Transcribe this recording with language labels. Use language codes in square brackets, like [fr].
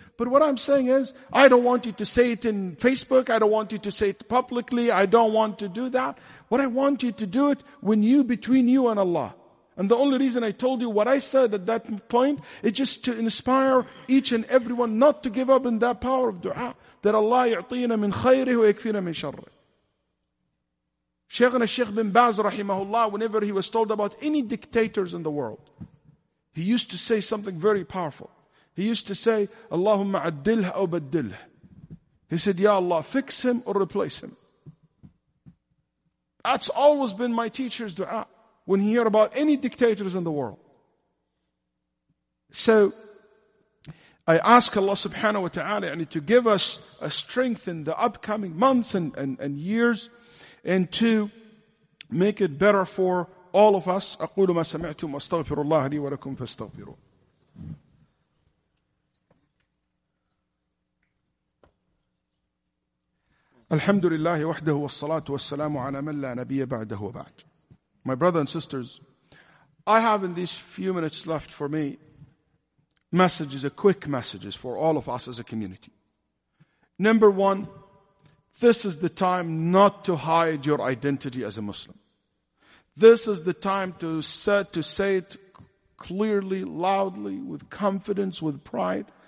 [en] But what I'm saying is, I don't want you to say it in Facebook. I don't want you to say it publicly. I don't want to do that. What I want you to do it when you, between you and Allah. And the only reason I told you what I said at that point is just to inspire each and everyone not to give up in that power of dua. That [ar] Allah يعطينا من خيره ويكفينا من شره. [en] Shaykhna Shaykh bin Baz rahimahullah, whenever he was told about any dictators in the world, he used to say something very powerful. He used to say, [ar] Allahumma addilha aw baddilha. [en] He said, Ya Allah, fix him or replace him. That's always been my teacher's dua when he hear about any dictators in the world. So, I ask Allah subhanahu wa ta'ala to give us a strength in the upcoming months and years and to make it better for all of us. [ar] أقول ما سمعتم أستغفر الله لي ولكم فاستغفروا. الحمد لله وحده والصلاة والسلام على من لا نبي بعده وبعد. [en] My brothers and sisters, I have in these few minutes left for me messages, a quick messages for all of us as a community. Number one, this is the time not to hide your identity as a Muslim. This is the time to say it clearly, loudly, with confidence, with pride,